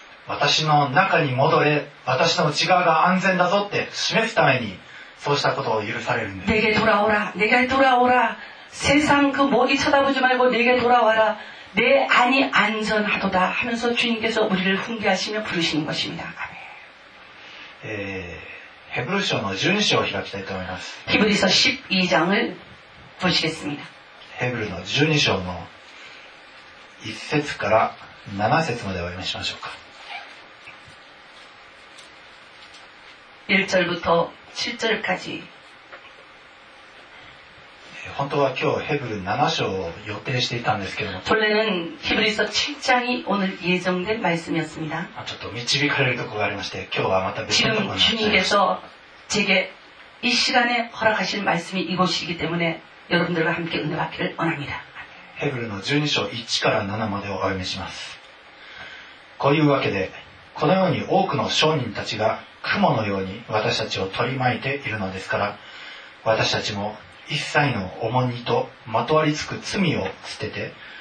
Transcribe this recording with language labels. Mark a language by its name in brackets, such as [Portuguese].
[Japanese] 私の中に戻れ私の内側が安全だぞって示すためにそうしたことを許されるんです [Korean] 내게돌아오라내게돌아오라세상그먹이쳐다보지말고내게돌아와라내안이안전하도다하면서주님께서우리를훈계하시며부르시는것입니다아멘 [Japanese] 헤브루서の12章を開きたいと思います [Korean] 히브리서12장을보시겠습니다 [Japanese] 헤브루서12章の1節から7節までお読みしましょうか [Korean] 1절부터7절까지 [Japanese] 本当は今日ヘブル7章を予定していたんですけども [Korean] 本来는히브리서7장이오늘예정된말씀이었습니다 [Japanese] ちょっと導かれるところがありまして今日はまた別のところになっちゃいます [Korean] 지금주님께서제게이시간에허락하신말씀이이곳이기때문에여러분들과함께은혜받기를원합니다 [Japanese] ヘブルの12章1から7までお読みしますこういうわけでこのように多くの商人たちが雲のように私たちを取り巻いているのですから私たちも一切の重荷とまとわりつく罪を捨てて